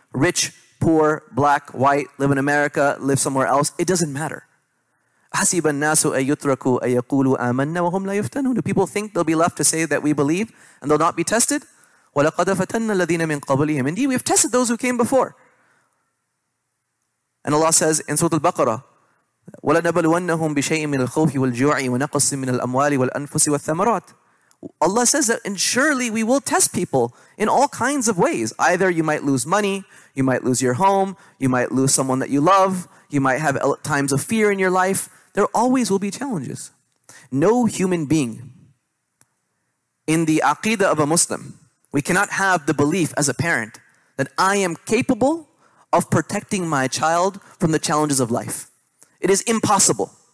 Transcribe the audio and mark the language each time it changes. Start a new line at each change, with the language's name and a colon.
English: Rich, poor, black, white, live in America, live somewhere else. It doesn't matter.
Arabic: حَسِبَ النَّاسُ أَيُّتْرَكُوا أَيَّقُولُوا آمَنَّا وَهُمْ لَا يُفْتَنُونَ.
English: Do people think they'll be left to say that we believe and they'll not be tested?
Arabic: وَلَقَدْ فَتَنَّا الَّذِينَ مِنْ قَبْلِهِمْ.
English: Indeed, we have tested those who came before. And Allah says in Surah Al-Baqarah,
Arabic: وَلَنَبَلُوَنَّهُمْ بِشَيْءٍ مِنَ الْخَوْفِ وَالْجُوعِ وَنَقْصٍ مِنَ الْأَمْوَالِ وَالْأَنفُسِ وَالثَّمَرَاتِ.
English: Allah says that, and surely we will test people in all kinds of ways. Either you might lose money, you might lose your home, you might lose someone that you love, you might have times of fear in your life. There always will be challenges. No human being in the aqidah of a Muslim, we cannot have the belief as a parent that I am capable of protecting my child from the challenges of life. It is impossible.